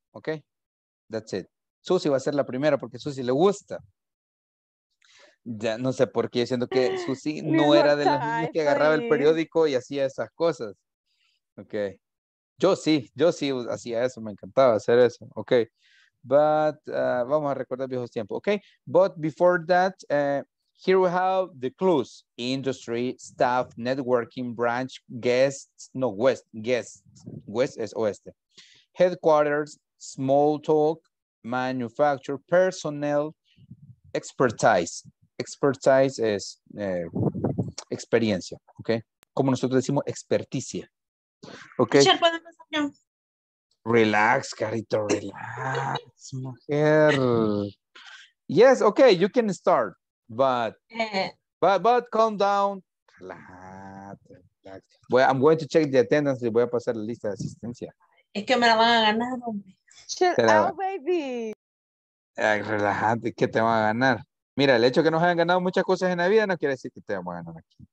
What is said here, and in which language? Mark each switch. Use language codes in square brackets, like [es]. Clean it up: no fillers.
[en] Ok, that's it. [es] Susi va a ser la primera porque a Susi le gusta. Ya no sé por qué, siendo que Susi no era de las niñas que agarraba el periódico y hacía esas cosas. Ok. Yo sí hacía eso, me encantaba hacer eso, ok. But, vamos a recordar viejos tiempos, ok. [en] But before that, here we have the clues. Industry, staff, networking, branch, guests, no, west, guests. [es] West es oeste. [en] Headquarters, small talk, manufacture, personnel, expertise. [es] Expertise es experiencia, ok. Como nosotros decimos, experticia. Okay. Relax, carito, relax, mujer. [en] Yes, okay, you can start, but calm down. Relax. Well, I'm going to check the attendance [es] y voy a pasar la lista de asistencia. Es que me la van a ganar, hombre. [en] Chill out, baby. [es] Relajante, ¿qué te van a ganar? Mira, el hecho de que nos hayan ganado muchas cosas en la vida no quiere decir que te vamos a ganar aquí.